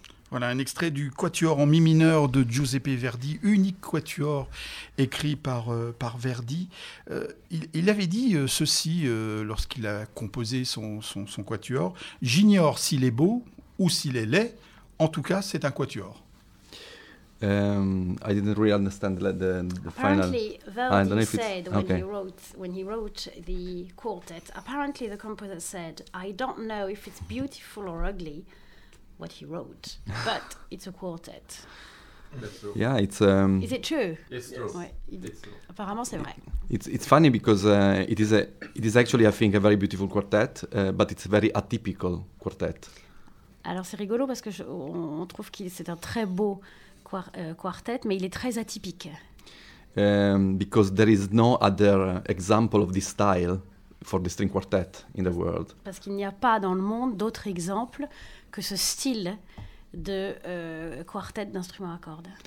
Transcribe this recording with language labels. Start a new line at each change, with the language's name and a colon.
French: un extrait du Quatuor en mi mineur de Giuseppe Verdi, unique quatuor écrit par, par Verdi. Il avait dit ceci lorsqu'il a composé son quatuor: j'ignore s'il est beau ou s'il est laid, en tout cas c'est un quatuor.
English: I didn't really understand the final. Apparently, Verdi said when he wrote the quartet. Apparently, the composer said, "I don't know if it's beautiful or ugly, what he wrote, but it's a quartet." That's true. Yeah, it's. Is it true? It's true. It's true.
French: Apparemment, c'est vrai.
English: It's funny because it is actually, I think, a very beautiful quartet, but it's a very atypical quartet.
French: Alors c'est rigolo parce que on trouve que c'est un très beau quartet, mais il est très atypique.
English: Because there is no other example of this style for the string quartet in the world.
French: Parce qu'il n'y a pas dans le monde d'autres exemples que ce style de quartet d'instruments à cordes.